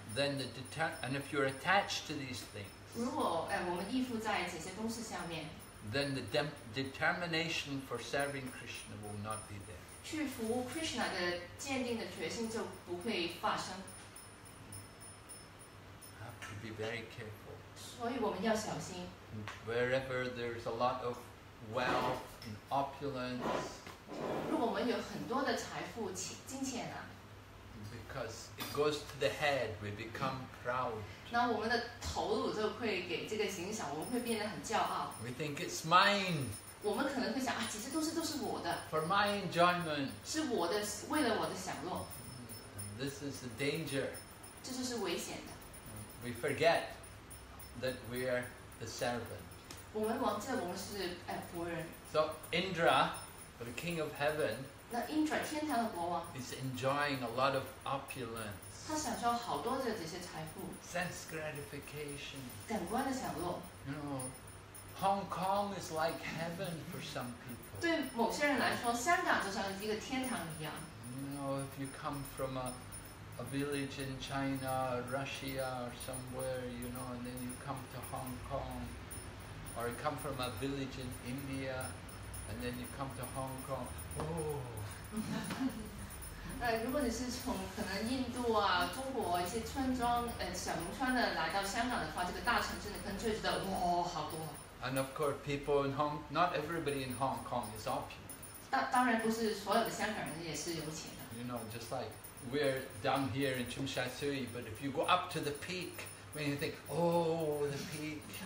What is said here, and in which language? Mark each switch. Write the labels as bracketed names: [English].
[English] Then the and if you're attached to these things. [Chinese] 如果我们依附在这些东西下面。 [English] Then the determination for serving Krishna will not be there. [Chinese] 去服务 Krishna 的坚定的决心就不会发生。 [English] Have to be very careful. [Chinese] 所以我们要小心。 [English] Wherever there's a lot of wealth and opulence, [Chinese] 如果我们有很多的财富、金钱啊。 [English] Because it goes to the head, we become proud. [Chinese] 那我们的头颅就会给这个影响，我们会变得很骄傲。 [English] We think it's mine. [Chinese] 我们可能会想啊，其实都是我的。 [English] For my enjoyment. [Chinese] 是我的，为了我的享乐。 [English] This is a danger. [Chinese] 这就是危险的。 [English] We forget that we are the servant. [Chinese] 我们忘记了我们是仆人。 [English] So Indra, the king of heaven. [Chinese] 那 Indra 天堂的国王 [English] is enjoying a lot of opulence. [Chinese] 他享受好多的这些财富 [English] sense gratification. [Chinese] 感官的享乐 [English] You know, Hong Kong is like heaven for some people. [Chinese] 对某些人来说，香港就像一个天堂一样 [English] You know, if you come from a village in China, or Russia, or somewhere, you know, and then you come to Hong Kong, or you come from a village in India. And then you come to Hong Kong. Oh. [Chinese] 如果你是从可能印度啊、中国一些村庄、小农村的来到香港的话，这个大城市你可能就会觉得哇、哦，好多。 [English] And of course, people in Hong, not everybody in Hong Kong is opulent. [Chinese] 当然不是所有的香港人也是有钱的。 [English] You know, just like we're down here in Tsung Shan Tsui, but if you go up to the peak, when you think, oh, the peak.